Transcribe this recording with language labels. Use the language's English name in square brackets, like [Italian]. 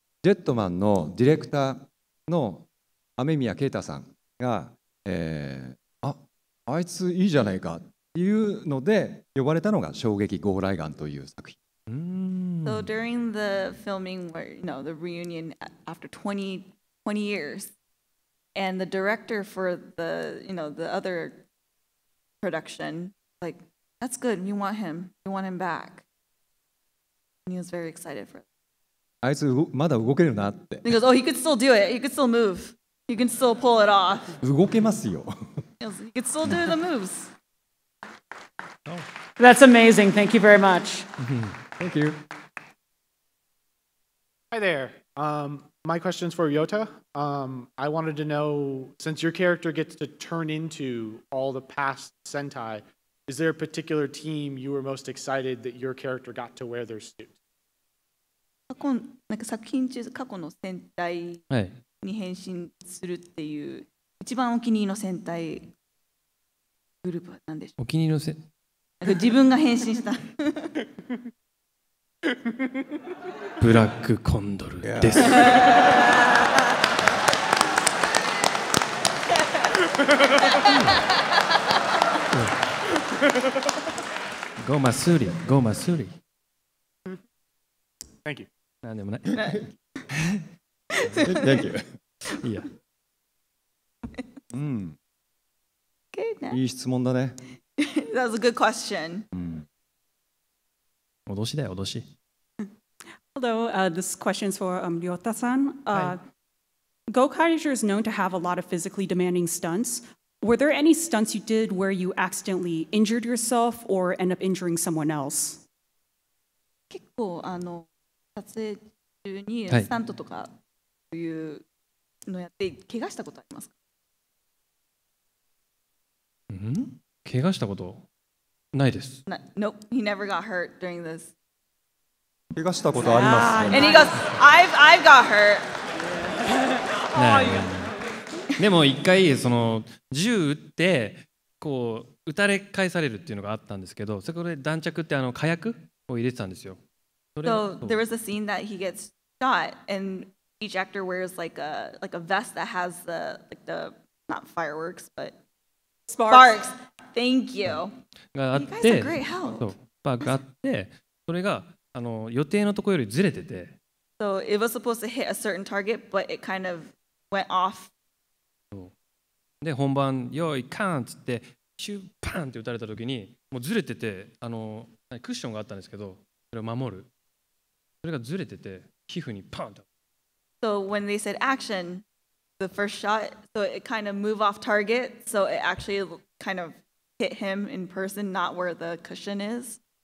[Japanese] ジェットマンのディレクターの雨宮啓太さんが、あいついいじゃないかっていうので呼ばれたのが衝撃ゴーライガンという作品。 [English] So during the filming, where, you know, the reunion after 20 years, and the director for the, you know, the other production, like, that's good, we want him, we want him back. And he was very excited for it. [Japanese] あいつまだ動けるなって。 [English] He goes, oh, he could still do it. He could still move. He can still pull it off. [Japanese] 動けますよ。 [English] He could still do the moves. That's amazing. Thank you very much. Thank you. Hi there. My question's for Ryota. I wanted to know, since your character gets to turn into all the past Sentai, is there a particular team you were most excited that your character got to wear their suit? [Japanese] なんか作品中過去の戦隊に変身するっていう、はい、一番お気に入りの戦隊グループは何でしょう？お気に入りの戦なんか自分が変身したブラックコンドルです、yeah. ゴマスーリーゴマスーリ [English] ー Thank you. [Japanese] なんでもない。 [English] Thank you. [Japanese] いや。うん。いい質問だね。 [English] That was a good question. [Japanese] うん。脅しだよ、脅し。 [English] Hello, this question is for Ryota-san. Gokaiger is known to have a lot of physically demanding stunts. Were there any stunts you did where you accidentally injured yourself or end up injuring someone else? [Japanese] 結構撮影中にスタントとかというのやって怪我したことありますか？うん？怪我したことないです。 [English] Nope, he never got hurt during this. [Japanese] 怪我したことあります、ね。 [English] And he goes, I've got hurt. [Japanese] ないないない。でも一回その銃撃ってこう撃たれ返されるっていうのがあったんですけど、そこで弾着ってあの火薬を入れてたんですよ。 [English] So there was a scene that he gets shot, and each actor wears like a vest that has the like the not fireworks but sparks. Thank you. You guys are great help. [Japanese] So bug があって、それがあの予定のところよりずれてて。 [English] So it was supposed to hit a certain target, but it kind of went off. [Japanese] で本番よいカーンつってシュパンって打たれた時にもうずれててあのクッションがあったんですけど。それを守る。それがずれてて皮膚にパンと。 [English] So when they said action, the first shot, so it kind of move off target, so it actually kind of hit him in person, not where the cushion is.